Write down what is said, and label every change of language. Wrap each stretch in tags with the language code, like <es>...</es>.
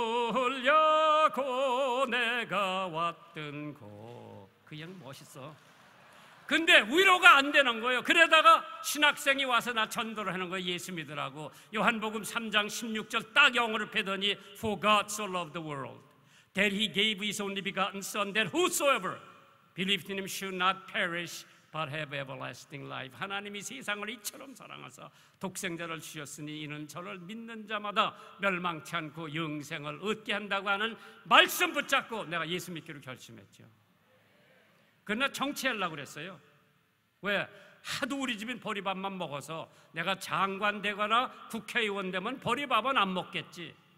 <ko>울려고 내가 왔던 거. 그냥 멋있어. 근데 위로가 안 되는 거예요. 그러다가 신학생이 와서 나 전도를 하는 거예요. 예수 믿으라고. 요한복음 3장 16절 딱 영어로 패더니</ko> <en>For God so loved the world. That he gave his only begotten son that whosoever believed in him should not perish but have everlasting life.</en> <ko>하나님이 세상을 이처럼 사랑하사 독생자를 주셨으니 이는 저를 믿는 자마다 멸망치 않고 영생을 얻게 한다고 하는 말씀 붙잡고 내가 예수 믿기로 결심했죠. 그러나 정치하려고 그랬어요. 왜? 하도 우리 집은 버리밥만 먹어서 내가 장관 되거나 국회의원 되면 버리밥은 안 먹겠지.</ko>